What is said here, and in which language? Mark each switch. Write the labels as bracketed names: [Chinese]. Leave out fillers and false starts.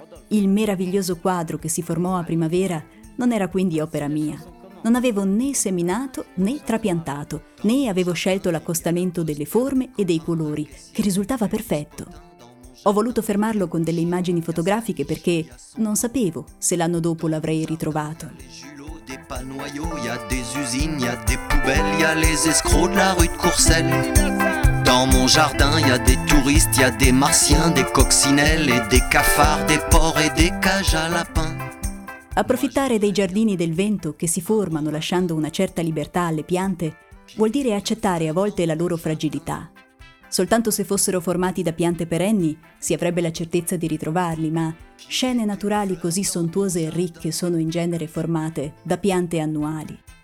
[Italian] Il meraviglioso quadro che si formò a primavera non era quindi opera mia. Non avevo né seminato né trapiantato, né avevo scelto l'accostamento delle forme e dei colori, che risultava perfetto. Ho voluto fermarlo con delle immagini fotografiche perché non sapevo se l'anno dopo l'avrei ritrovato. [French] Des panoyaux, y a des usines, y a des poubelles, y a les escrocs de la rue de Courcelles. Dans mon jardin, y a des touristes, y a des martiens, des coccinelles et des cafards, des porcs et des cages à lapins. [Italian] Approfittare dei giardini del vento che si formano lasciando una certa libertà alle piante vuol dire accettare a volte la loro fragilità. Soltanto se fossero formati da piante perenni si avrebbe la certezza di ritrovarli, ma scene naturali così sontuose e ricche sono in genere formate da piante annuali.